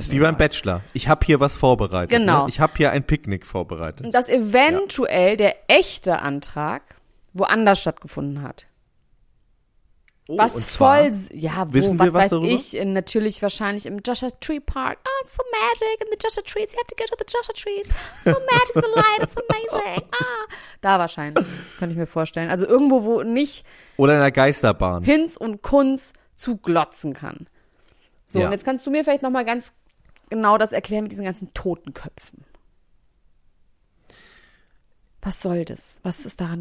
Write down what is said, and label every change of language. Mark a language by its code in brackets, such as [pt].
[de] Das ist wie beim Bachelor. Ich habe hier was vorbereitet. Genau. Ne? Ich habe hier ein Picknick vorbereitet. Und dass eventuell der echte Antrag woanders stattgefunden hat. Oh, was und voll, zwar, ja, wo, wissen wir was weiß darüber? Ich, in, natürlich wahrscheinlich im Joshua Tree Park. [en] Oh, it's so magic in the Joshua Trees. You have to go to the Joshua Trees. So magic, the light, it's amazing. [de] Ah, da wahrscheinlich, könnte ich mir vorstellen. Also irgendwo, wo nicht. Oder in der Geisterbahn. Hinz und Kunz zu glotzen kann. So, und jetzt kannst du mir vielleicht nochmal ganz genau das erklären mit diesen ganzen Totenköpfen. Was soll das? Was ist daran